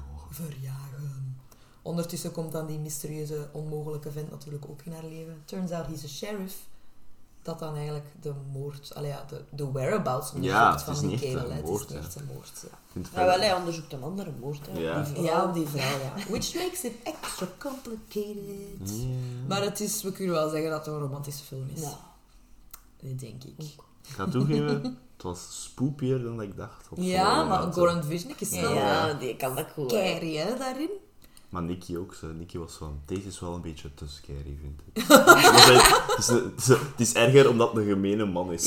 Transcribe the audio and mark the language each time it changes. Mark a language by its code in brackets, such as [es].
[nl] Verjagen. Ondertussen komt dan die mysterieuze, onmogelijke vent natuurlijk ook in haar leven. [en] Turns out he's a sheriff. [nl] Dat dan eigenlijk de moord... Allee, ja, de whereabouts moet ja, van die kerel. Moord, het is niet een moord, ja. Nou, wel, hij onderzoekt een andere moord, hè. Ja, op die vrouw, ja. [en] Which makes it extra complicated. Yeah. [nl] Maar het is, we kunnen wel zeggen dat het een romantische film is. Ja. Dat denk ik. Ik ga toegeven, het was spoopier dan ik dacht. Ja, maar Goran Visnik is wel... Ja, die kan dat goed. Scary, hè, daarin. Maar Nicky ook. Nicky was van, deze is wel een beetje te scary, vind ik. Het is erger omdat het een gemene man is.